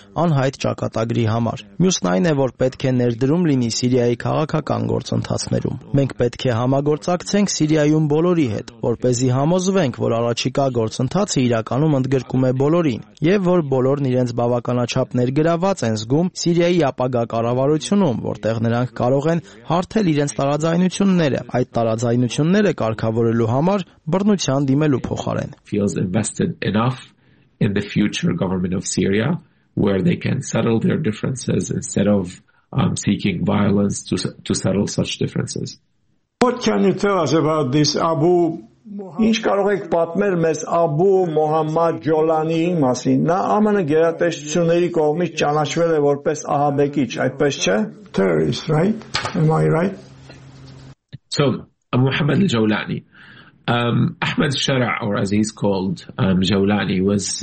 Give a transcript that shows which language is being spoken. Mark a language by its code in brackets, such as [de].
[hy] անհայտ ճակատագրի համար։ Մյուսն այն է, որ պետք է ներդրում լինի Սիրիայի քաղաքական գործընթացներում։ Մենք պետք է համագործակցենք Սիրիայում բոլորի հետ, որպեսզի համոզվենք, որ առաջիկա գործընթացը իրականում ընդգրկում է բոլորին, և որ բոլորն իրենց բավականաչափ ներգրաված են զգում Սիրիայի ապագա կառավարությունում, որտեղ նրանք կարող են հարթել իրենց տարաձայնությունները, այդ տարաձայնությունները կարգավորելու համար բռնության դիմելու փոխարեն։ [en] Feels invested enough in the future government of Syria where they can settle their differences instead of seeking violence to settle such differences. What can you tell us about this Abu [hy] Ինչ կարող եք պատմել մեզ Աբու Մոհամմադ Ջոլանի մասին? Նա ԱՄՆ գերատեսչությունների կողմից ճանաչվել է որպես ահաբեկիչ, այդպես չէ? [en] Terrorist, right? Am I right? So, Մոհամմադ Ջոլանի. Ahmed Shara, or as he's called, Jawlani, was